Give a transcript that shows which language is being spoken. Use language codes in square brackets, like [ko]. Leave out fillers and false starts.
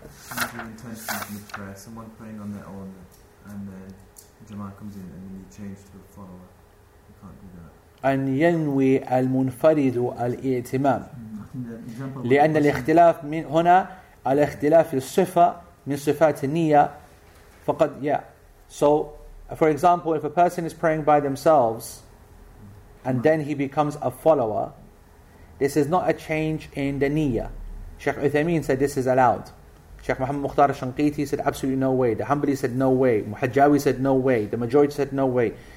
[en] Changing intention of the prayer, someone praying on their own, and then Jama'ah comes in and then you change to a follower. You can't do that. [ar] أن ينوي المنفرد الائتمام لأن الاختلاف من هنا الاختلاف في الصفة من صفات النية فقد yeah. [en] So for example, if a person is praying by themselves and then he becomes a follower, this is not a change in the niyya. Sheikh Uthaymeen said this is allowed. Sheikh Muhammad Mukhtar Shanqiti said absolutely no way. The Hanbali said no way. Muhajjawi said no way. The majority said no way.